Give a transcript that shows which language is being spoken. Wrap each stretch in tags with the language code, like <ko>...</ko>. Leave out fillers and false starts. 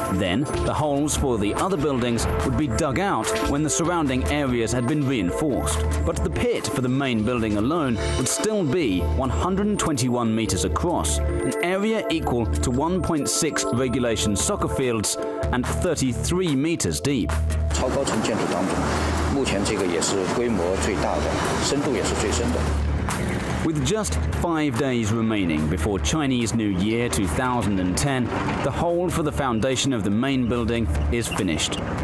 <en>Then the holes for the other buildings would be dug out when the surrounding areas had been reinforced. But the pit for the main building alone would still be 121 meters across, an area equal to 1.6 regulation soccer fields and 33 meters deep.</en> <zh>超高层建筑当中，目前这个也是规模最大的，深度也是最深的。</zh> <en>With just 5 days remaining before Chinese New Year 2010, the hole for the foundation of the main building is finished.</en>